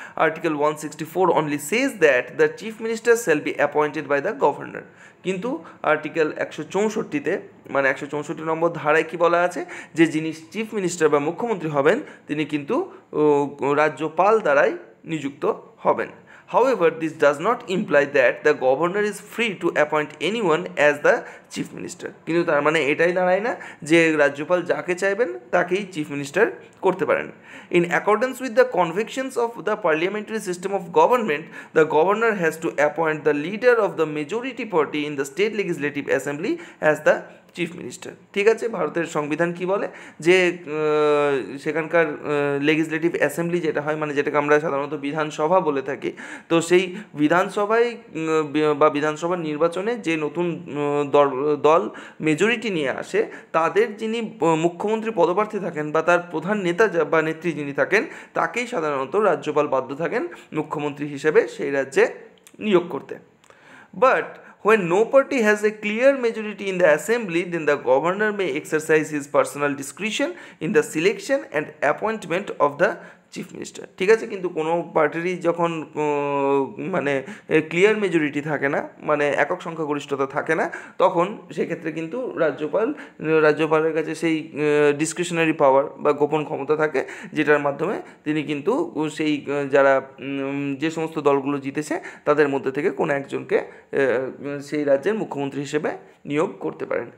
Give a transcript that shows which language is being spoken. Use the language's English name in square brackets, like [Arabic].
[English] article 164 only says that the chief minister shall be appointed by the governor, [Bangla] কিন্তু article 164-তে, মানে 164 নম্বর ধারায় কী বলা আছে, যে যিনি চিফ মিনিস্টার বা মুখ্যমন্ত্রী হবেন তিনি কিন্তু রাজ্যপাল দ্বারাই নিযুক্ত হবেন। [English] However, this does not imply that the governor is free to appoint anyone as the chief minister. [Bangla] কিন্তু তার মানে এটাই দাঁড়ায় না যে রাজ্যপাল যাকে চাইবেন তাকেই চিফ মিনিস্টার করতে পারেন। [English] In accordance with the convictions of the parliamentary system of government, the governor has to appoint the leader of the majority party in the state legislative assembly as the chief minister. [Bangla] ঠিক আছে, ভারতের সংবিধান কী বলে যে সেখানকার legislative assembly যেটা হয়, মানে যেটাকে আমরা সাধারণত বিধানসভা বলে থাকি, তো সেই বিধানসভায় বা বিধানসভার নির্বাচনে যে নতুন দল মেজরিটি নিয়ে আসে, তাদের যিনি মুখ্যমন্ত্রী পদপ্রার্থী থাকেন বা তার প্রধান নেতা বা নেত্রী যিনি থাকেন, তাকেই সাধারণত রাজ্যপাল বাধ্য থাকেন মুখ্যমন্ত্রী হিসেবে সেই রাজ্যে নিয়োগ করতে। [English] but When no party has a clear majority in the assembly, then the governor may exercise his personal discretion in the selection and appointment of the [Bangla] chief minister, ঠিক আছে? কিন্তু কোনো পার্টিরই যখন মানে ক্লিয়ার মেজরিটি থাকে না, মানে একক সংখ্যাগরিষ্ঠতা থাকে না, তখন সেক্ষেত্রে কিন্তু রাজ্যপাল, রাজ্যপালের কাছে সেই ডিসক্রিশনারি পাওয়ার বা গোপন ক্ষমতা থাকে, যেটার মাধ্যমে তিনি কিন্তু সেই যারা যে সমস্ত দলগুলো জিতেছে তাদের মধ্যে থেকে কোনো একজনকে সেই রাজ্যের মুখ্যমন্ত্রী হিসেবে নিয়োগ করতে পারেন।